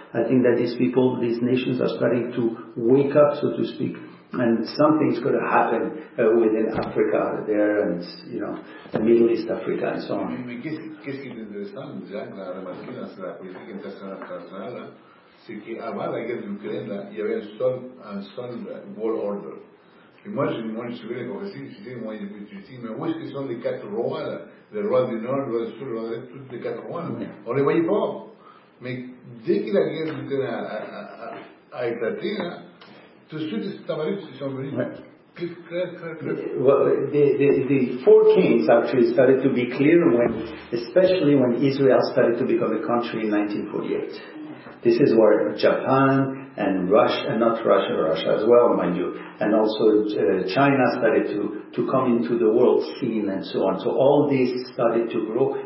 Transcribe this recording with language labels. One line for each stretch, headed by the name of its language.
English: I think that these people, these nations are starting to wake up, so to speak. And something's going to happen within Africa there, and, you know, the Middle East, Africa, and so on.
French: C'est qu'avant la guerre d'Ukraine, là, il y avait un seul
English: world order.
French: Et moi, je suis venu à la conférence, je dis, mais où est-ce que sont les quatre rois, là? Les rois du Nord, les rois du Sud, les rois de tous les quatre rois, là. On ne les voyait pas. Mais dès que la guerre d'Ukraine a éclaté, là, tout de suite, les Tamaris sont venus. Ouais.
English: Well, the four kings actually started to be clear, especially when Israel started to become a country in 1948. This is where Japan and Russia as well, mind you, and also China started to come into the world scene and so on. So all these started to grow.